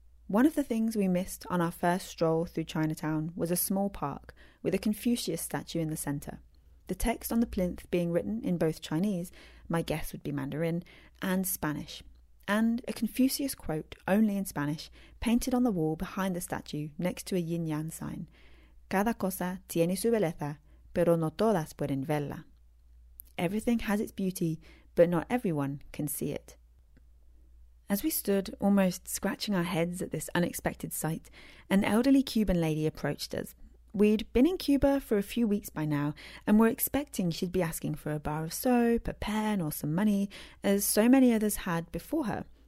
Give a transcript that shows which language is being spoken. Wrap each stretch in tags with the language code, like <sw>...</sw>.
<en>One of the things we missed on our first stroll through Chinatown was a small park with a Confucius statue in the centre. The text on the plinth being written in both Chinese, my guess would be Mandarin, and Spanish. And a Confucius quote, only in Spanish, painted on the wall behind the statue next to a yin-yang sign.</en> <es>Cada cosa tiene su belleza, pero no todas pueden verla.</es> <en>Everything has its beauty, but not everyone can see it. As we stood, almost scratching our heads at this unexpected sight, an elderly Cuban lady approached us. We'd been in Cuba for a few weeks by now, and were expecting she'd be asking for a bar of soap, a pen, or some money, as so many others had before her.</en>